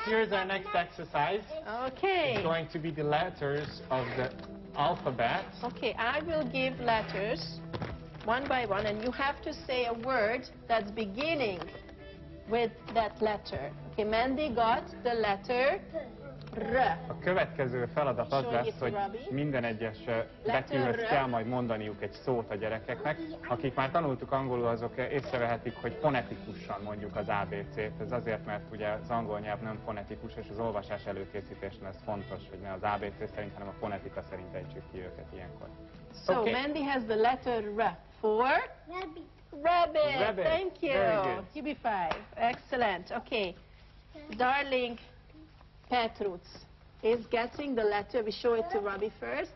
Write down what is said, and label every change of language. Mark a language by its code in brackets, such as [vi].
[en] Here's our next exercise. Okay. It's going to be the letters of the alphabet. Okay, I will give letters one by one, and you have to say a word that's beginning with that letter. Okay, Mandy got the letter R. [hu] A következő feladat az lesz, hogy minden egyes betűhöz kell majd mondaniuk egy szót a gyerekeknek. Akik már tanultuk angolul, azok észrevehetik, hogy fonetikusan mondjuk az ABC-t. Ez azért, mert ugye az angol nyelv nem fonetikus, és az olvasás előkészítésen ez fontos, hogy ne az ABC szerint, hanem a fonetika szerint ejtsük ki őket ilyenkor. [en] So, okay. Mandy has the letter R for? Rabbit. Thank you. You be five. Excellent. Okay. Darling Petrutz is getting the letter. We show it to Robbie first.